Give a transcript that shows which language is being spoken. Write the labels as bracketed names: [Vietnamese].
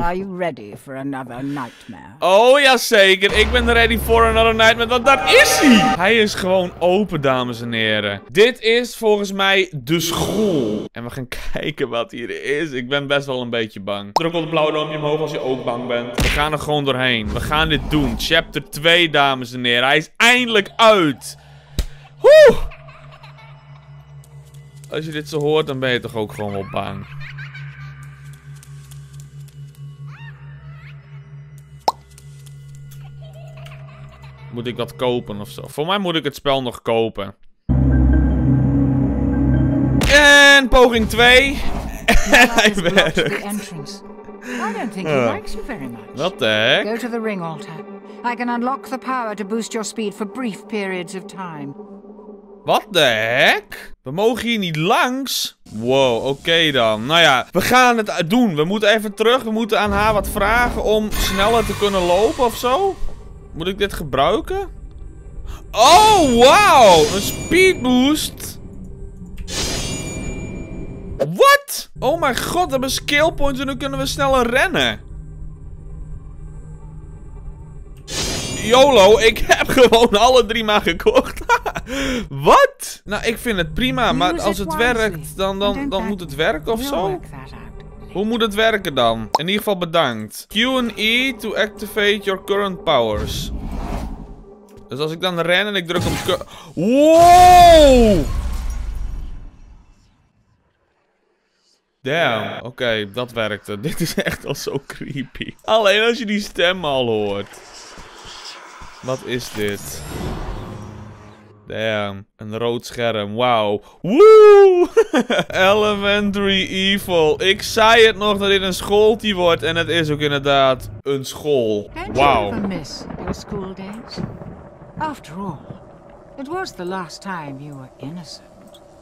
[English] Are you ready for another nightmare? [Dutch] Oh, jazeker. Ik ben [English] ready for another nightmare, [Dutch] want daar is hij! Hij is gewoon open, dames en heren. Dit is volgens mij de school. En we gaan kijken wat hier is. Ik ben best wel een beetje bang. Druk op het blauwe duimpje omhoog als je ook bang bent. We gaan er gewoon doorheen. We gaan dit doen. Chapter 2, dames en heren. Hij is eindelijk uit. Hoe! Als je dit zo hoort, dan ben je toch ook gewoon wel bang. Moet ik wat kopen of zo? Voor mij moet ik het spel nog kopen. En poging 2. Hij werkt. [English] I don't think he likes you very much. What the heck? Go to the ring altar. I can unlock the power to boost your speed for brief periods of time. [Dutch] Wat de heck? We mogen hier niet langs. Wow, oké dan. Nou ja, we gaan het doen. We moeten even terug. We moeten aan haar wat vragen om sneller te kunnen lopen of zo. Moet ik dit gebruiken? Oh, wow! Een speedboost. [English] What? [Dutch] Oh mijn god, we hebben skill points en nu kunnen we sneller rennen. YOLO, ik heb gewoon alle drie maar gekocht. Wat? Nou, ik vind het prima, maar als het werkt, dan moet het werken of zo? Hoe moet het werken dan? In ieder geval bedankt. [English] Q&E to activate your current powers. [Dutch] Dus als ik dan ren en ik druk op... Wow! Damn. Oké, dat werkte. Dit is echt al zo creepy. Alleen als je die stem al hoort. Wat is dit? Damn, een rood scherm. Wauw. Woe! [English] Elementary Evil. [Dutch] Ik zei het nog dat dit een schooltje wordt. En het is ook inderdaad een school. Wauw. [English] Don't you ever miss your school days? After all, it was the last time you were innocent.